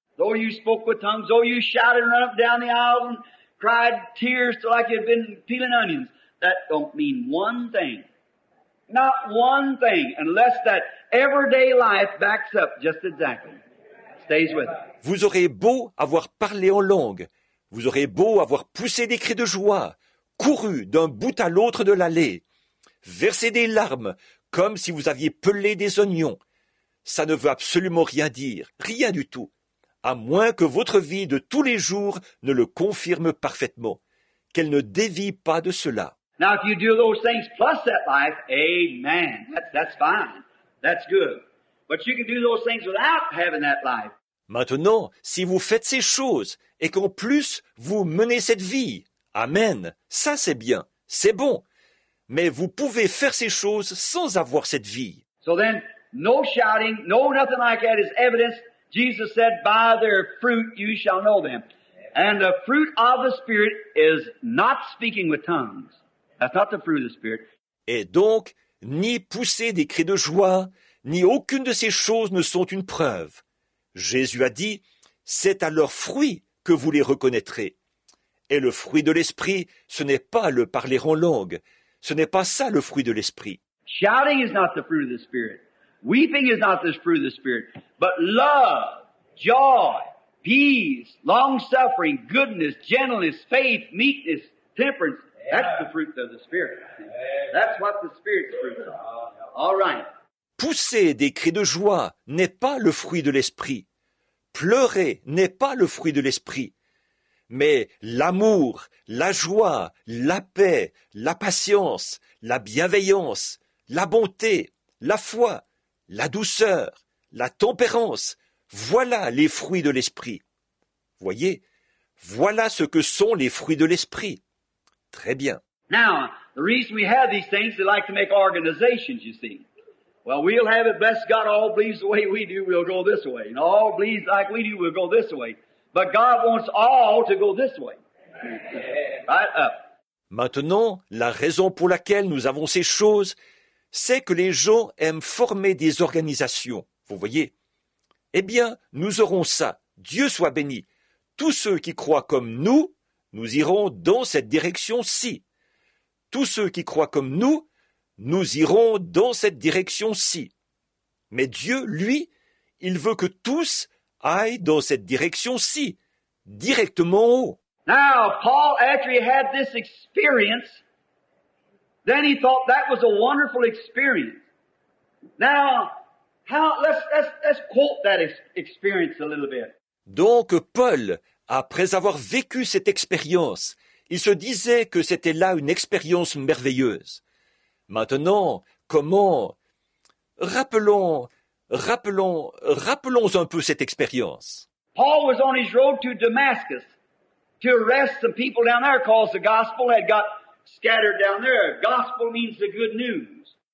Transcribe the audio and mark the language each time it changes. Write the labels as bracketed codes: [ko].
[en] Though you spoke with tongues, though you shouted and ran up down the aisle and cried tears like you'd been peeling onions, that don't mean one thing. Not one thing, unless that everyday life backs up just exactly. Stays with it. [fr] Vous aurez beau avoir parlé en langue, vous aurez beau avoir poussé des cris de joie, couru d'un bout à l'autre de l'allée, versé des larmes comme si vous aviez pelé des oignons. Ça ne veut absolument rien dire, rien du tout, à moins que votre vie de tous les jours ne le confirme parfaitement, qu'elle ne dévie pas de cela. [en] Now, if you do those things plus that life, amen, that's fine, that's good. But you can do those things without having that life. [fr] Maintenant, si vous faites ces choses et qu'en plus vous menez cette vie, amen, ça c'est bien, c'est bon. Mais vous pouvez faire ces choses sans avoir cette vie. [en] So then, no shouting, no nothing like that is evidence. Jesus said, by their fruit you shall know them. And the fruit of the Spirit is not speaking with tongues. That's not the fruit of the Spirit. [fr] Et donc, ni pousser des cris de joie, ni aucune de ces choses ne sont une preuve. Jésus a dit, c'est à leurs fruits que vous les reconnaîtrez. Et le fruit de l'esprit, ce n'est pas le parler en langue. Ce n'est pas ça le fruit de l'esprit. [en] Shouting is not the fruit of the Spirit. Weeping is not the fruit of the Spirit. But love, joy, peace, long-suffering, goodness, gentleness, faith, meekness, temperance, that's the fruit of the Spirit. That's what the Spirit's fruit is. All right. [fr] Pousser des cris de joie n'est pas le fruit de l'esprit. Pleurer n'est pas le fruit de l'esprit. Mais l'amour, la joie, la paix, la patience, la bienveillance, la bonté, la foi, la douceur, la tempérance, voilà les fruits de l'esprit. Voyez, voilà ce que sont les fruits de l'esprit. Très bien. [en] Now, the reason we have these things, they like to make organizations, you see. Well, we'll have it, bless God, all bleeds the way we do, we'll go this way. And all bleeds like we do, we'll go this way. But God wants all to go this way. Right up. [fr] Maintenant, la raison pour laquelle nous avons ces choses, c'est que les gens aiment former des organisations, vous voyez. Eh bien, nous aurons ça, Dieu soit béni. Tous ceux qui croient comme nous, nous irons dans cette direction-ci. Tous ceux qui croient comme nous, nous irons dans cette direction-ci. Mais Dieu, lui, il veut que tous aillent dans cette direction-ci, directement en haut. [en] Now, Paul, after he had this experience, then he thought that was a wonderful experience. Now, let's quote that experience a little bit. [fr] Donc, Paul, après avoir vécu cette expérience, il se disait que c'était là une expérience merveilleuse. Maintenant, comment... Rappelons un peu cette expérience. [en] Paul was on his road to Damascus to arrest some people down there because the gospel had got scattered down there. Gospel means the good news.